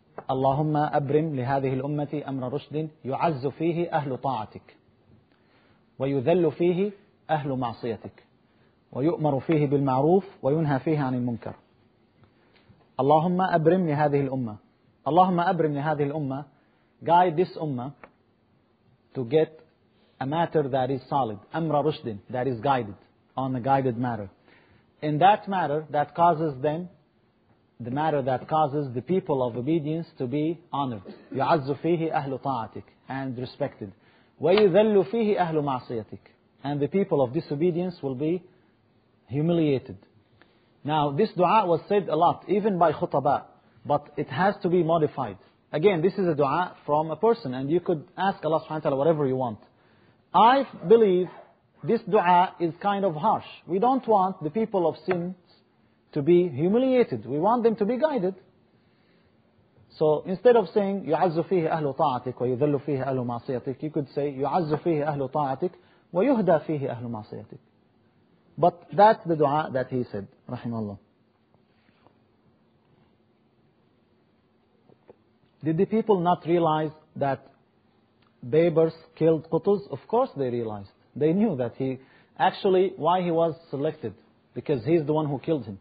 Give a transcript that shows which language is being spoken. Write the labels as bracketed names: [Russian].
[Arabic] اللهم أبرم لهذه الأمة أمر رشد يعز فيه أهل طاعتك ويذل فيه أهل معصيتك ويؤمر فيه بالمعروف وينهى فيه عن المنكر. اللهم أبرم لهذه الأمة. اللهم أبرم لهذه الأمة. [English] Guide this ummah to get a matter that is solid. [Arabic] أمر رشد, [English] that is guided, on a guided matter. In that matter that causes them, the matter that causes the people of obedience to be honored. [Arabic] يُعَزُّ فِيهِ أَهْلُ طَاعَتِكَ, [English] and respected. [Arabic] وَيُذَلُّ فِيهِ أَهْلُ مَعْصِيَتِكَ, [English] and the people of disobedience will be humiliated. Now, this dua was said a lot, even by khutaba, but it has to be modified. Again, this is a dua from a person, and you could ask Allah subhanahu wa ta'ala whatever you want. I believe this dua is kind of harsh. We don't want the people of sin to be humiliated. We want them to be guided. So instead of saying [Arabic] يُعَزُّ فِيهِ أَهْلُ طَاعَتِكَ وَيُذَلُّ فِيهِ أَهْلُ مَعْصِيَتِكَ, [English] you could say [Arabic] يُعَزُّ فِيهِ أَهْلُ طَاعَتِكَ وَيُهْدَى فِيهِ أَهْلُ مَعْصِيَتِكَ. [English] But that's the dua that he said, rahimahullah. Did the people not realize that Babers killed Qutuz? Of course they realized. They knew that he, actually why he was selected, because he's the one who killed him.